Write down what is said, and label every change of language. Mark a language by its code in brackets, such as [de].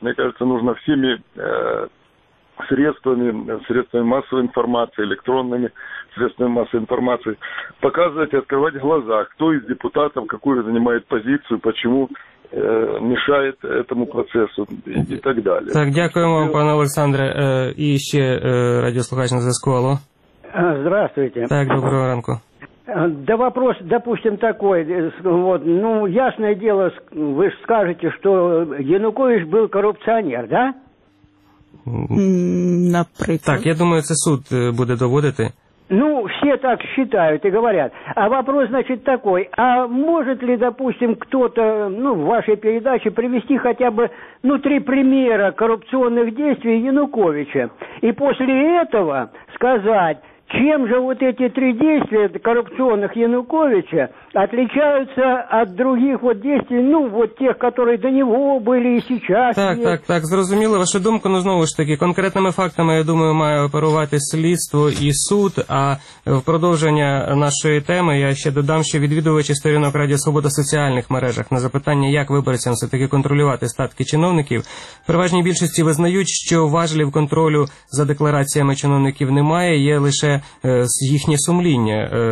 [ru] Мне кажется, нужно всеми средствами массовой информации, электронными средствами массовой информации, показывать и открывать глаза, кто из депутатов, какую занимает позицию, почему мешает этому процессу и так далее. [uk] Так, дякую вам, пане Олександре. [ru] И еще [uk] радиослухач на зв'язку. Алло. [ru] Здравствуйте. [uk] Так, доброго ранку. [ru] Да вопрос, допустим, такой. Вот, ну, ясное дело, вы же скажете, что Янукович был коррупционер, да? [uk] Наприклад. Так, я думаю, це суд буде доводити. [ru] Ну, все так считают и говорят. А вопрос, значит, такой. А может ли, допустим, кто-то, ну, в вашей передаче привести хотя бы, ну, три примера коррупционных действий Януковича? И после этого сказать, чем же вот эти три действия коррупционных Януковича отличаются от других вот действий, ну, вот тех, которые до него были и сейчас? [uk] Так, так, так, зрозуміло. Ваша думка, ну, знову ж таки, конкретними фактами, я думаю, має оперувати слідство і суд, а в продовження нашої теми я ще додам, що відвідувачі сторінок Радіо Свобода в соціальних мережах на запитання, як виборцям все-таки контролювати статки чиновників, в переважній більшості визнають, що важлів контролю за деклараціями чиновників немає, є лише їхнє сумління.